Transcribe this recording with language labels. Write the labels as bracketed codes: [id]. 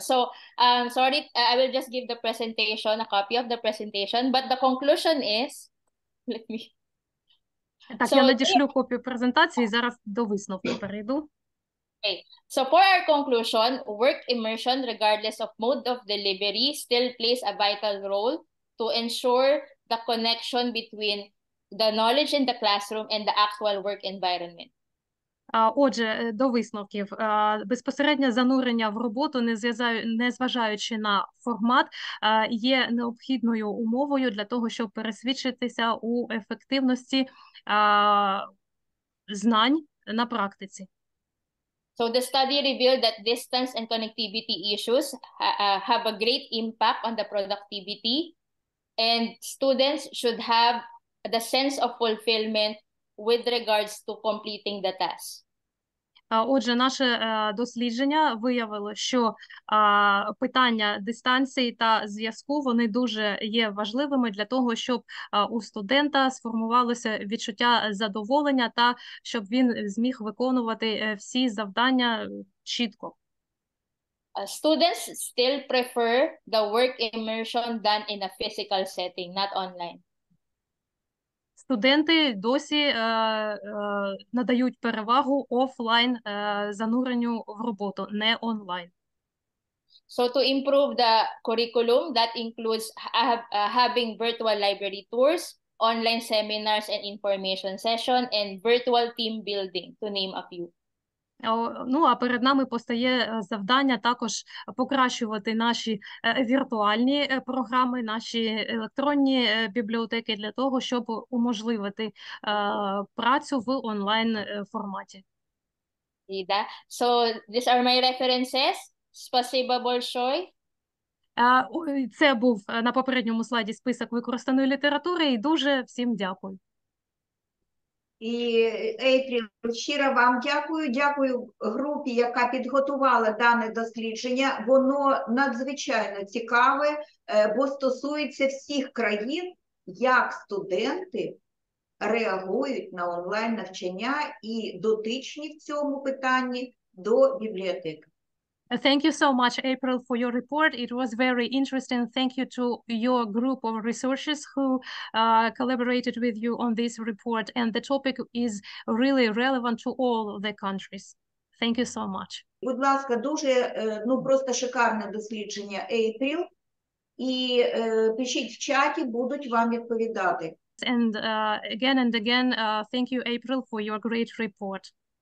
[en] So, sorry, I will just give the presentation, a copy of the presentation, but the conclusion is, let me. [uk] Так, so, я надішлю копію презентації, зараз до висновку перейду. [en] Okay, so for our conclusion, work immersion, regardless of mode of delivery, still plays a vital role to ensure the connection between the knowledge in the classroom and the actual work environment. [uk] Отже, до висновків. Безпосереднє занурення в роботу, незважаючи на формат, є необхідною умовою для того, щоб пересвідчитися у ефективності знань на практиці. [en] So the study revealed that distance and connectivity issues have a great impact on the productivity, and students should have the sense of fulfillment with regards to completing the task. [uk] Отже, наше дослідження виявило, що питання дистанції та зв'язку, вони дуже є важливими для того, щоб у студента сформувалося відчуття задоволення та щоб він зміг виконувати всі завдання чітко. [en] Students still prefer the work immersion done in a physical setting, not online. [uk] Студенти досі надають перевагу офлайн зануренню в роботу, не онлайн. [en] So to improve the curriculum, that includes having virtual library tours, online seminars and information session, and virtual team building, to name a few. [uk] Ну, а перед нами постає завдання також покращувати наші віртуальні програми, наші електронні бібліотеки для того, щоб уможливити працю в онлайн-форматі. [en] So, these are my references. [ru] Спасибо большое. [uk] Це був на попередньому слайді список використаної літератури, і дуже всім дякую. І, Ейпріл, щиро вам дякую. Дякую групі, яка підготувала дане дослідження. Воно надзвичайно цікаве, бо стосується всіх країн, як студенти реагують на онлайн-навчання і дотичні в цьому питанні до бібліотек. [en] Thank you so much, April, for your report. It was very interesting. Thank you to your group of researchers who collaborated with you on this report. And the topic is really relevant to all the countries. Thank you so much. [uk] Будь ласка, дуже, ну, просто шикарне дослідження, April. І пишіть в чаті, будуть вам відповідати. [en] And again, thank you, April, for your great report.